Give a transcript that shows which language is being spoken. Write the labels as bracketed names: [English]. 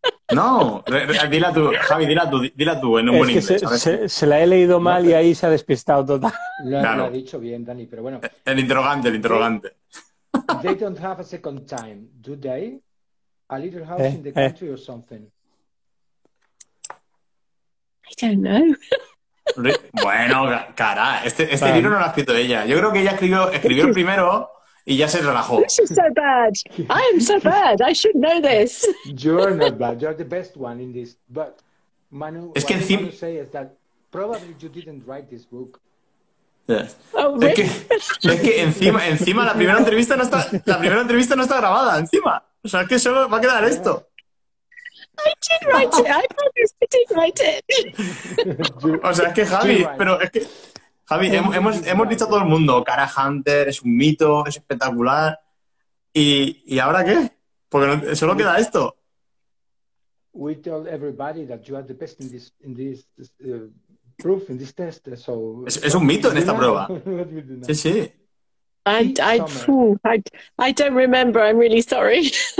[Spanish] No, dila tú, Javi, dila tú en un buen inglés. Se la he leído mal y ahí se ha despistado total. Claro. Lo ha dicho bien, Dani, pero bueno. El interrogante. [English] They don't have a second time, do they? A little house in the country or something. I don't know. [Spanish] Bueno, Cara, este libro no lo ha escrito ella. Yo creo que ella escribió el primero y ya se relajó. [English] This is so bad. I am so bad. I should know this. You're not bad. You're the best one in this. But Manu, [Spanish] es que [English] what I want to say is that probably you didn't write this book. Yes. [Spanish] Oh, es que encima la primera entrevista no está grabada encima. O sea, es que solo va a quedar esto. [English] I did write it. I promise I did write it. [Spanish] O sea, es que Javi, pero es que Javi, hemos dicho a todo el mundo, Cara Hunter es un mito, es espectacular. ¿Y ahora qué? Porque solo queda esto. [English] We tell everybody that you are the best in this proof in this test, so [Spanish] es un mito en esta prueba. Sí. [English] I don't remember. I'm really sorry.